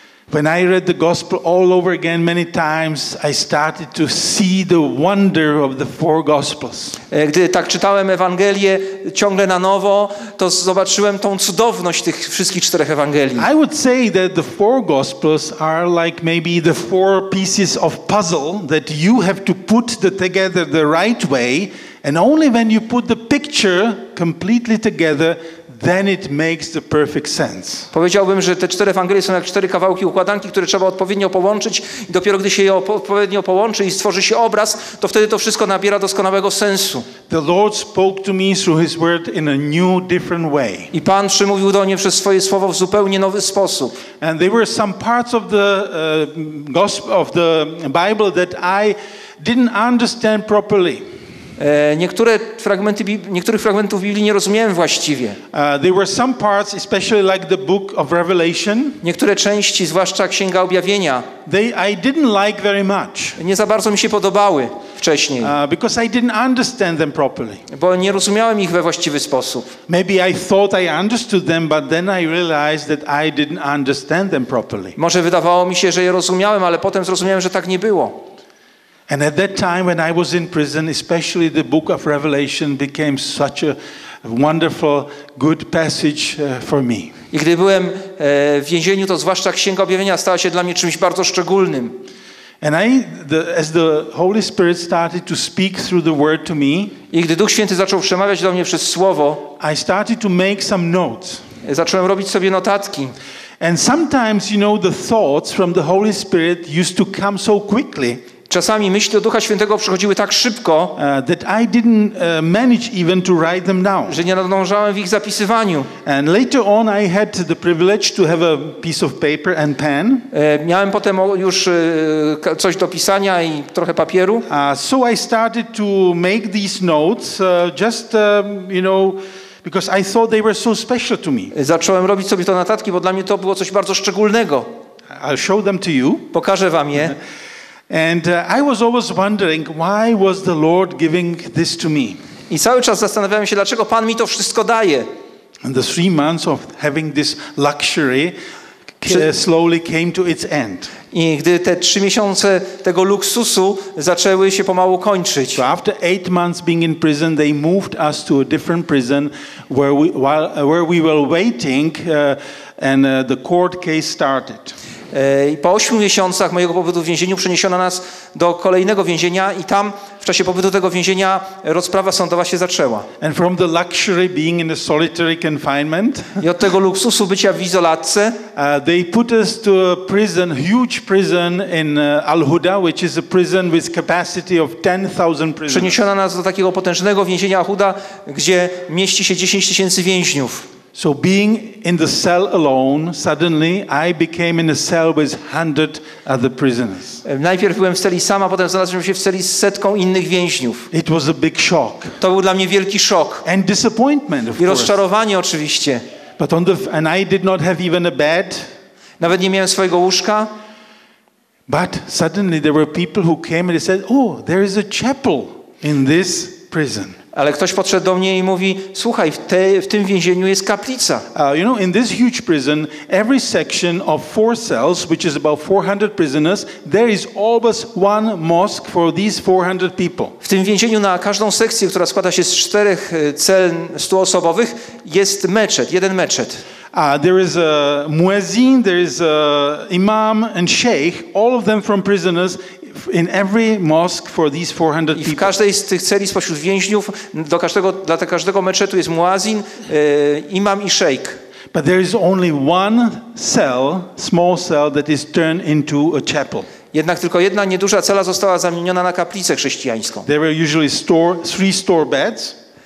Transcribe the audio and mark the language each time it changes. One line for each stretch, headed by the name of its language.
English: When I read the gospel all over again many times, I started to see the wonder of the four gospels.
Polish: Gdy tak czytałem Ewangelię ciągle na nowo, to zobaczyłem tą cudowność tych wszystkich 4 Ewangelii.
English: I would say that the four gospels are like maybe the 4 pieces of puzzle that you have to put together the right way, and only when you put the picture completely together, then it makes the perfect sense.
Polish: Powiedziałbym, że te 4 Ewangelie są jak 4 kawałki układanki, które trzeba odpowiednio połączyć i dopiero gdy się je odpowiednio połączy i stworzy się obraz, to wtedy to wszystko nabiera doskonałego sensu.
English: The Lord spoke to me through his word in a new, different way.
Polish: I Pan przemówił do mnie przez swoje słowo w zupełnie nowy sposób.
English: And there were some parts of the gospel of the Bible that I didn't understand properly.
Polish: Niektórych fragmentów Biblii nie rozumiałem właściwie.
English: There were some parts, especially like the Book of Revelation.
Polish: Niektóre części, zwłaszcza Księga Objawienia.
English: I didn't like very much.
Polish: Nie za bardzo mi się podobały wcześniej.
English: Because I didn't understand them properly.
Polish: Bo nie rozumiałem ich we właściwy sposób.
English: Maybe I thought I understood them, but then I realized that I didn't understand them properly.
Polish: Może wydawało mi się, że je rozumiałem, ale potem zrozumiałem, że tak nie było.
English: And at that time when I was in prison, especially the Book of Revelation became such a wonderful, good passage for me.
Polish: I gdy byłem w więzieniu, to zwłaszcza Księga Objawienia stała się dla mnie czymś bardzo szczególnym.
English: And I, the, as the Holy Spirit started to speak through the word to me,
Polish: i gdy Duch Święty zaczął przemawiać do mnie przez słowo,
English: I started to make some notes.
Polish: Zacząłem robić sobie notatki.
English: And sometimes, you know, the thoughts from the Holy Spirit used to come so quickly.
Polish: Czasami myśli do Ducha Świętego przychodziły tak szybko,
English: that I didn't manage even to write them down.
Polish: Że nie nadążałem w ich zapisywaniu.
English: And later on I had the privilege to have a piece of paper and pen.
Polish: Miałem potem już coś do pisania i trochę papieru.
English: So I started to make these notes you know, because I thought they were so special to me.
Polish: Zacząłem robić sobie te notatki, bo dla mnie to było coś bardzo szczególnego.
English: I'll show them to you.
Polish: Pokażę wam je.
English: And I was always wondering why was the Lord giving this to me.
Polish: I cały czas zastanawiałem się, dlaczego Pan mi to wszystko daje.
English: And the 3 months of having this luxury slowly came to its end.
Polish: I gdy te 3 miesiące tego luksusu zaczęły się pomału kończyć.
English: So after 8 months being in prison, they moved us to a different prison where we were waiting and the court case started.
Polish: I po 8 miesiącach mojego pobytu w więzieniu przeniesiono nas do kolejnego więzienia i tam w czasie pobytu tego więzienia rozprawa sądowa się zaczęła.
English: And from the luxury being in a solitary confinement,
Polish: i od tego luksusu bycia w izolatce,
English: they put us to a prison, huge prison in Al-Huda, which is a prison with capacity of 10,000 prisoners.
Polish: Przeniesiono nas do takiego potężnego więzienia Al-Huda, gdzie mieści się 10 tysięcy więźniów.
English: So being in the cell alone, suddenly I became in a cell with 100 other prisoners.
Polish: Najpierw byłem w celi sam, a potem znalazłem się w celi z setką innych więźniów.
English: It was a big shock.
Polish: To był dla mnie wielki szok.
English: And disappointment, of
Polish: course. I rozczarowanie oczywiście.
English: But on the and I did not have even a bed.
Polish: Nawet nie miałem swojego łóżka.
English: But suddenly there were people who came and they said, "Oh, there is a chapel in this prison."
Polish: Ale ktoś podszedł do mnie i mówi: słuchaj, w tym więzieniu jest kaplica.
English: You know, in this huge prison, every section of 4 cells, which is about 400 prisoners, there is always one mosque for these 400 people.
Polish: W tym więzieniu na każdą sekcję, która składa się z 4 cel 100-osobowych, jest meczet, jeden meczet.
English: There is a muezzin, there is a imam and sheikh, all of them from prisoners. In every mosque for these 400 people.
Polish: I w każdej z tych celi spośród więźniów dla każdego meczetu jest muazin, imam i szejk.
English: But there is only one cell, small cell that is turned into a chapel.
Polish: Jednak tylko jedna nieduża cela została zamieniona na kaplicę chrześcijańską.
English: There were usually 3 store beds.